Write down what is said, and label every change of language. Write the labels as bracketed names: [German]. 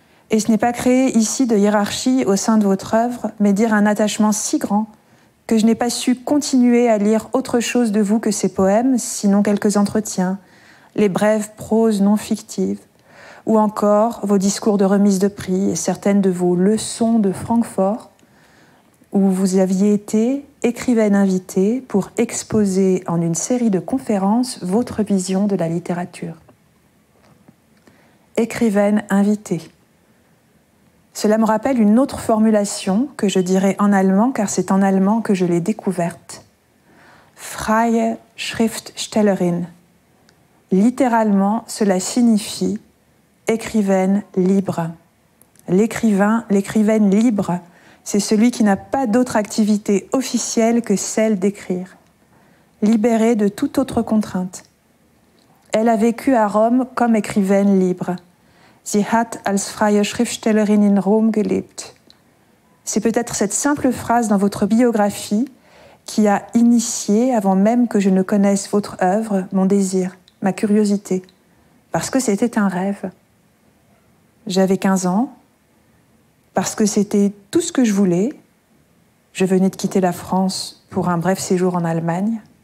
[French] Et ce n'est pas créer ici de hiérarchie au sein de votre œuvre, mais dire un attachement si grand que je n'ai pas su continuer à lire autre chose de vous que ces poèmes, sinon quelques entretiens, les brèves proses non fictives, ou encore vos discours de remise de prix et certaines de vos leçons de Francfort, où vous aviez été écrivaine invitée pour exposer en une série de conférences votre vision de la littérature. Écrivaine invitée. Cela me rappelle une autre formulation que je dirai en allemand, car c'est en allemand que je l'ai découverte. [German] Freie Schriftstellerin. [French] Littéralement, cela signifie écrivaine libre. L'écrivain, l'écrivaine libre, c'est celui qui n'a pas d'autre activité officielle que celle d'écrire. Libérée de toute autre contrainte. Elle a vécu à Rome comme écrivaine libre. [German] Sie hat als freie Schriftstellerin in Rom gelebt. [French] C'est peut-être cette simple phrase dans votre biographie qui a initié, avant même que je ne connaisse votre œuvre, mon désir, ma curiosité. Parce que c'était un rêve. J'avais 15 ans. Parce que c'était tout ce que je voulais. Je venais de quitter la France pour un bref séjour en Allemagne.